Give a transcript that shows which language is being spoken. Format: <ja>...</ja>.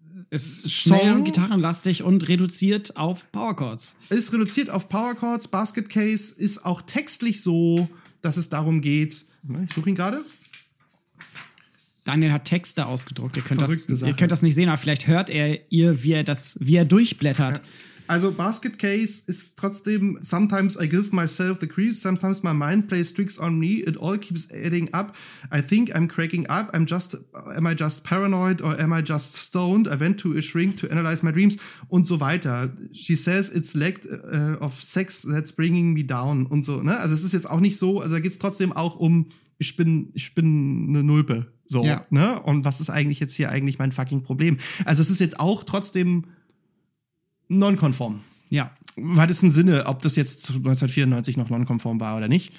<de>ist schnell Song, und gitarrenlastig und reduziert auf Powerchords. Ist reduziert auf Powerchords. Basket Case ist auch textlich so, dass es darum geht. Ich suche ihn gerade. Daniel hat Texte ausgedruckt. Ihr könnt das nicht sehen, aber vielleicht hört er ihr, wie er durchblättert. Also Basket Case ist trotzdem</de> <en>Sometimes I give myself the creeps, sometimes my mind plays tricks on me, it all keeps adding up, I think I'm cracking up, am I just paranoid or am I just stoned, I went to a shrink to analyze my dreams</en> <de>und so weiter.</de> <en>She says it's lack of sex that's bringing me down</en> <de>und so, ne? Also es ist jetzt auch nicht so, also da geht's trotzdem auch um ich bin eine Nulpe, so, ne? Und was ist eigentlich jetzt hier eigentlich mein fucking Problem? Also es ist jetzt auch trotzdem nonkonform. Ja. Im weitesten Sinne, ob das jetzt 1994 noch nonkonform war oder nicht.</de>